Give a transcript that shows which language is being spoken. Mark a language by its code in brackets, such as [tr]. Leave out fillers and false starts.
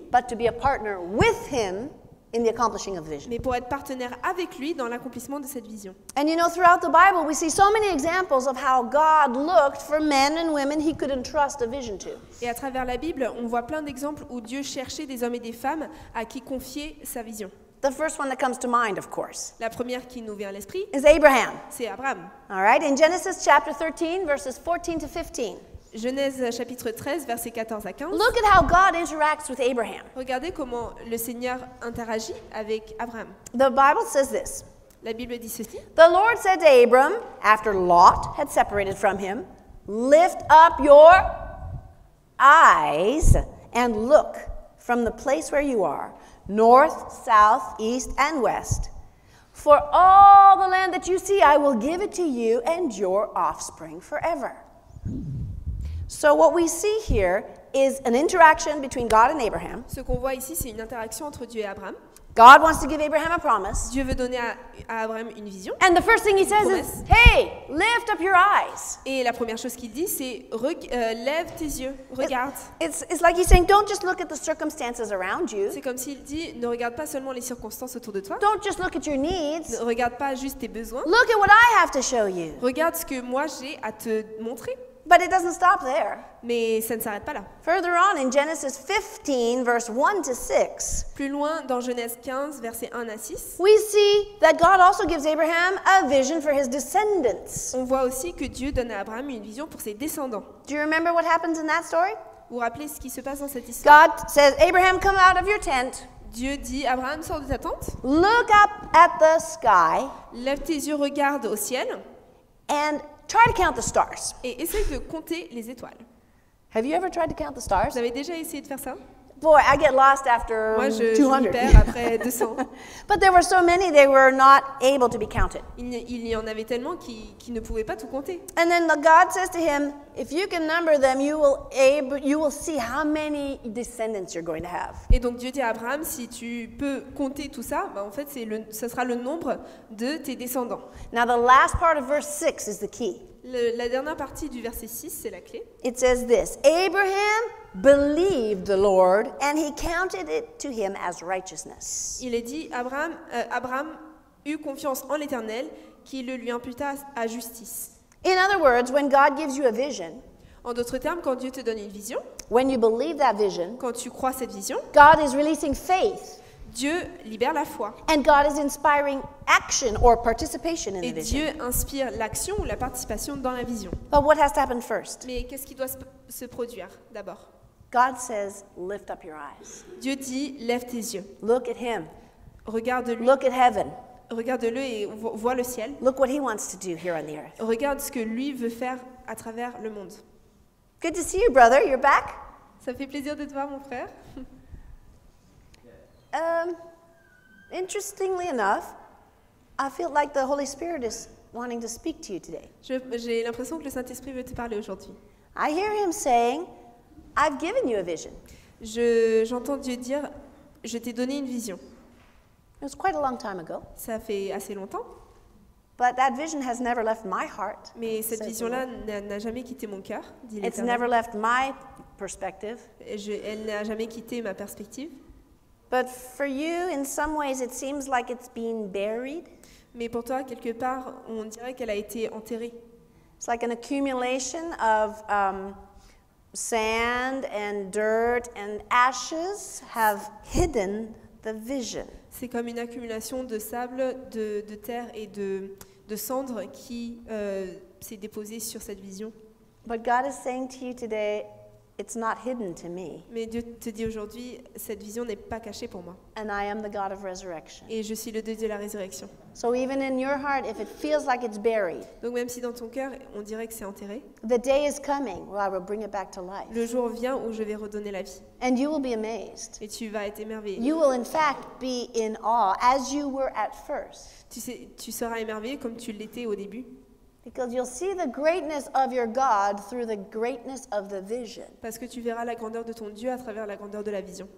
[en] But to be a partner with him in the accomplishing of vision. [fr] Mais pour être partenaire avec lui dans l'accomplissement de cette vision. [en] And you know, throughout the Bible, we see so many examples of how God looked for men and women he could entrust a vision to. [fr] Et à travers la Bible, on voit plein d'exemples où Dieu cherchait des hommes et des femmes à qui confier sa vision. [en] The first one that comes to mind, of course. [fr] La première qui nous vient à l'esprit. [en] Is Abraham. [fr] C'est Abraham. [en] All right, in Genesis chapter 13, verses 14 to 15. [fr] Genèse chapitre 13, versets 14 à 15. [en] Look at how God interacts with Abraham. [fr] Regardez comment le Seigneur interagit avec Abraham. [en] The Bible says this. [fr] La Bible dit ceci. [en] The Lord said to Abram, after Lot had separated from him, lift up your eyes and look from the place where you are, north, south, east, and west. For all the land that you see, I will give it to you and your offspring forever. So what we see here is an interaction between God and Abraham. [fr] Ce qu'on voit ici, c'est une interaction entre Dieu et Abraham. [en] God wants to give Abraham a promise. [fr] Dieu veut donner à Abraham une vision. [en] And the first thing he says is, "Hey, lift up your eyes." [fr] Et la première chose qu'il dit, c'est lève tes yeux, regarde. [en] It's like he's saying, "Don't just look at the circumstances around you." [fr] C'est comme s'il dit, ne regarde pas seulement les circonstances autour de toi. [en] Don't just look at your needs. [fr] Ne regarde pas juste tes besoins. [en] Look at what I have to show you. [fr] Regarde ce que moi j'ai à te montrer. [en] But it doesn't stop there. [fr] Mais ça ne s'arrête pas là. [en] Further on in Genesis 15, verse 1 to 6. [fr] Plus loin dans Genèse 15, versets 1 à 6. [en] We see that God also gives Abraham a vision for his descendants. [fr] On voit aussi que Dieu donne à Abraham une vision pour ses descendants. [en] Do you remember what happens in that story? [fr] Vous rappelez ce qui se passe dans cette histoire? [en] God says, Abraham, come out of your tent. [fr] Dieu dit, Abraham, sors de ta tente. [en] Look up at the sky. [fr] Lève tes yeux, regarde au ciel. [en] And try to count the stars. [fr] Et essaye de compter les étoiles. [en] Have you ever tried to count the stars? [fr] Vous avez déjà essayé de faire ça? [en] Boy, I get lost after 200. [fr] Moi, je m'y perds après 200. [en] But there were so many, they were not able to be counted. [fr] Il y en avait tellement qui ne pouvaient pas tout compter. [en] And then God says to him, if you can number them, you will see how many descendants you're going to have. [fr] Et donc Dieu dit à Abraham, si tu peux compter tout ça, bah en fait, ça sera le nombre de tes descendants. [en] Now the last part of verse 6 is the key. [fr] La dernière partie du verset 6, c'est la clé. [en] It says this, Abraham believed the Lord and he counted it to him as righteousness. [fr] Il est dit, Abraham eut confiance en l'Éternel, qui le lui imputa à justice. [en] In other words, when God gives you a vision, [fr] en d'autres termes, quand Dieu te donne une vision, [en] when you believe that vision, [fr] quand tu crois cette vision, [en] God is releasing faith. [fr] Dieu libère la foi. [en] And God is inspiring action or participation in [fr] et [en] the vision. [fr] Dieu inspire l'action ou la participation dans la vision. [en] But what has to happen first? [fr] Mais qu'est-ce qui doit se produire d'abord? [en] God says, lift up your eyes. [fr] Dieu dit, lève tes yeux. [en] Look at him. [fr] Regarde-lui. [en] Look at heaven. [fr] Regarde-le et vois le ciel. [en] Look what he wants to do here on the earth. [fr] Regarde ce que lui veut faire à travers le monde. [en] Good to see you, brother. You're back. [fr] Ça fait plaisir de te voir, mon frère. [en] Interestingly enough, I feel like the Holy Spirit is wanting to speak to you today. [fr] J'ai l'impression que le Saint-Esprit veut te parler aujourd'hui. [en] I hear him saying, I've given you a vision. [fr] J'entends Dieu dire, je t'ai donné une vision. [en] It was quite a long time ago. [fr] Ça fait assez longtemps. [en] But that vision has never left my heart. [fr] Mais cette vision-là n'a jamais quitté mon cœur, dit l'Éternel. [en] It's never left my perspective. [fr] Elle n'a jamais quitté ma perspective. [en] But for you, in some ways, it seems like it's been buried. [fr] Mais pour toi, quelque part, on dirait qu'elle a été enterrée. [en] It's like an accumulation of sand and dirt and ashes have hidden the vision. [fr] C'est comme une accumulation de sable, de terre et de cendres qui s'est déposée sur cette vision. [en] But God is saying to you today, it's not hidden to me. [fr] Mais Dieu te dit aujourd'hui, cette vision n'est pas cachée pour moi. [en] And I am the God of resurrection. [fr] Et je suis le Dieu de la résurrection. [en] So even in your heart, if it feels like it's buried. [fr] Donc même si dans ton cœur, on dirait que c'est enterré. [en] The day is coming where I will bring it back to life. [fr] Le jour vient où je vais redonner la vie. [en] And you will be amazed. [fr] Et tu vas être émerveillé. [en] You will in fact be in awe as you were at first. [fr] Tu seras émerveillé comme tu l'étais au début. [en] Because you'll see the greatness of your God through the greatness of the vision. [fr] Parce que tu verras la grandeur de ton Dieu à travers la grandeur de la vision.